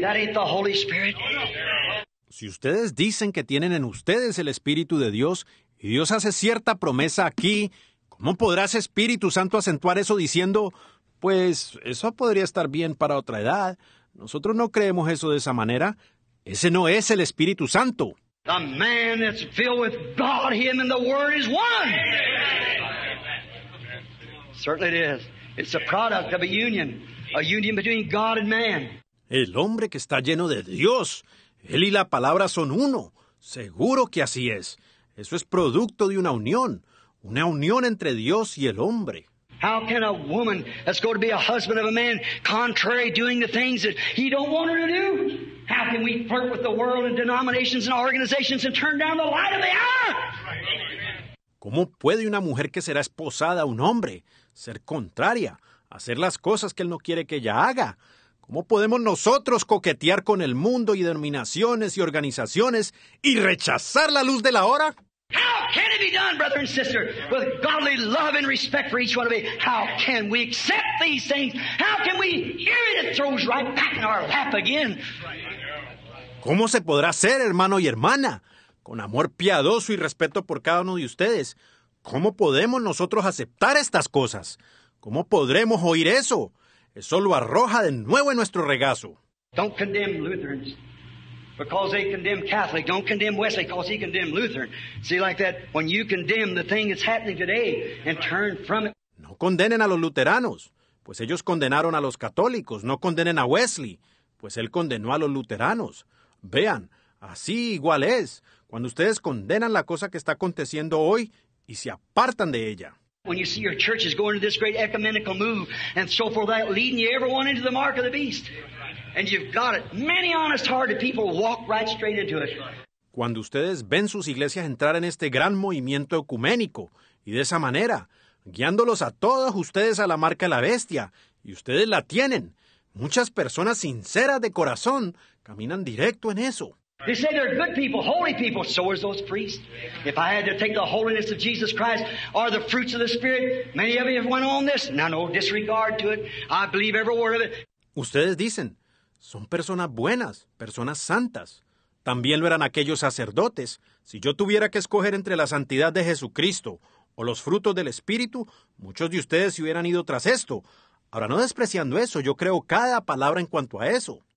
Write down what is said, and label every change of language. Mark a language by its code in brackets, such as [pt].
[en] That ain't the Holy Spirit. [es] Si ustedes dicen que tienen en ustedes el Espíritu de Dios y Dios hace cierta promesa aquí, ¿cómo podrás, Espíritu Santo, acentuar eso diciendo, pues, eso podría estar bien para otra edad? Nosotros no creemos eso de esa manera. Ese no es el Espíritu Santo. [en] The man that's filled with God, him and the Word is one. Certainly it is. It's a product of a union between God and man. [es] El hombre que está lleno de Dios, él y la palabra son uno. Seguro que así es. Eso es producto de una unión. Una unión entre Dios y el hombre. [en] How can a woman that's going to be a husband of a man contrary doing the things that he don't want her to do? How can we flirt with the world and denominations and organizations and turn down the light of the hour? [es] ¿Cómo puede una mujer que será esposada a un hombre ser contraria, hacer las cosas que él no quiere que ella haga? ¿Cómo podemos nosotros coquetear con el mundo y denominaciones y organizaciones y rechazar la luz de la hora? [en] How can it be done, brother and sister, with godly love and respect for each one of you? How can we accept these things? How can we hear it? It throws right back in our lap again. [es] ¿Cómo se podrá hacer, hermano y hermana, con amor piadoso y respeto por cada uno de ustedes? ¿Cómo podemos nosotros aceptar estas cosas? ¿Cómo podremos oír eso? Eso lo arroja de nuevo en nuestro regazo. [en] Don't condemn Lutherans because they condemn Catholics. Don't condemn Wesley because he condemned Lutheran. See, like that, when you condemn the thing that's happening today and turn from it. [es] No condenen a los luteranos, pues ellos condenaron a los católicos. No condenen a Wesley, pues él condenó a los luteranos. Vean, así igual es. Cuando ustedes condenan la cosa que está aconteciendo hoy y se apartan de ella. [en] When you see your church is going to this great ecumenical move and so forth, that leading you everyone into the mark of the beast. And you've got it. Many honest-hearted people walk right straight into it. [es] Cuando ustedes ven sus iglesias entrar en este gran movimiento ecuménico, y de esa manera, guiándolos a todos ustedes a la marca de la bestia, y ustedes la tienen, muchas personas sinceras de corazón caminan directo en eso. [en] They say they're good people, holy people. So are those priests. If I had to take the holiness of Jesus Christ or the fruits of the Spirit, many of you have went on this. Now, no disregard to it. I believe every word of it. [es] Ustedes dicen, son personas buenas, personas santas. También lo eran aquellos sacerdotes. Si yo tuviera que escoger entre la santidad de Jesucristo o los frutos del Espíritu, muchos de ustedes se hubieran ido tras esto. Ahora, no despreciando eso, yo creo cada palabra en cuanto a eso.